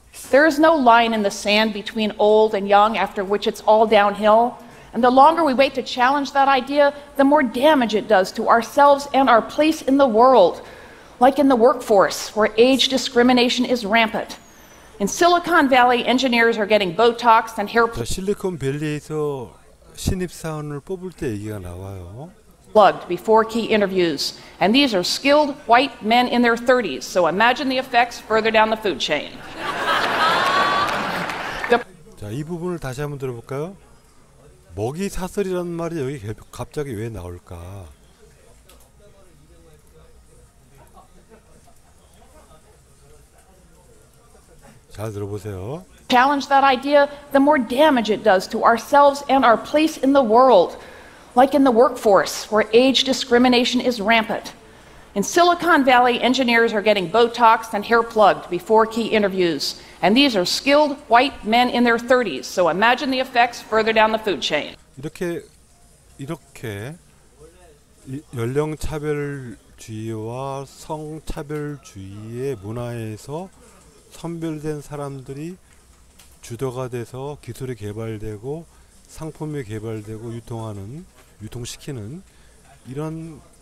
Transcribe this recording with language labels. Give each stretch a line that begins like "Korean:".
English: There is no line in the sand between old and young after which it's all downhill. And the longer we wait to challenge that idea, the more damage it does to ourselves and our place in the world. Like in the workforce, where age discrimination is rampant. In Silicon Valley, engineers are getting Botox and hair.
Korean: 실리콘밸리에서 신입사원을 뽑을 때 얘기가 나와요.
English: Plugged before key interviews, and these are skilled white men in their 30s. So imagine the effects further down the food chain.
Korean: 자, 이 부분을 다시 한번 들어볼까요? 먹이 사슬이라는 말이 여기 갑자기 왜 나올까? 잘 들어보세요.
English: Challenge that idea, the more damage it does to ourselves and our place in the world. Like in the workforce, where age discrimination is rampant. In Silicon Valley, engineers are getting Botox and hair plugged before key interviews. And these are skilled white men in their 30s. So imagine the effects further down the food chain.
Korean: 이렇게 연령차별주의와 성차별주의의 문화에서 선별된 사람들이 주도가 돼서 기술이 개발되고 상품이 개발되고 유통시키는 이런